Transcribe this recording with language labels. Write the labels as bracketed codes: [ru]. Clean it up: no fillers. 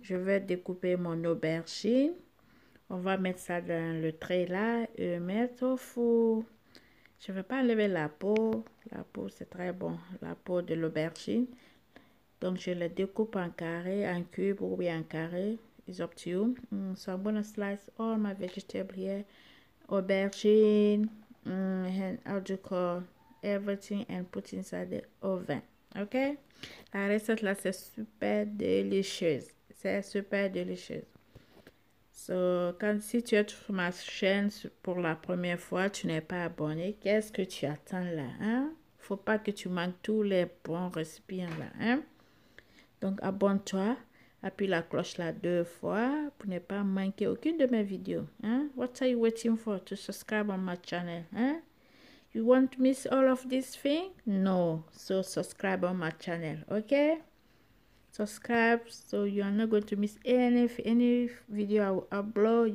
[fr] Je vais découper mon aubergine. On va mettre ça dans le tray là et mettre au four. Je ne vais pas enlever la peau. La peau, c'est très bon, la peau de l'aubergine. Donc je le découpe en carré, en cube ou bien en carré. [en] It's up to you. So I'm gonna slice all my vegetables here. Aubergine, and how do you call everything and put inside the oven. [fr] Ok, la recette là c'est super délicieuse, c'est super délicieuse. So, quand si tu es sur ma chaîne pour la première fois, tu n'es pas abonné, qu'est-ce que tu attends là, hein? Faut pas que tu manques tous les bons récipients là, hein? Donc abonne-toi, appuie la cloche là 2 fois pour ne pas manquer aucune de mes vidéos, hein? [en] What are you waiting for to subscribe on my channel, hein? You want to miss all of these things? No. So subscribe on my channel, okay? Subscribe so you are not going to miss any video I upload.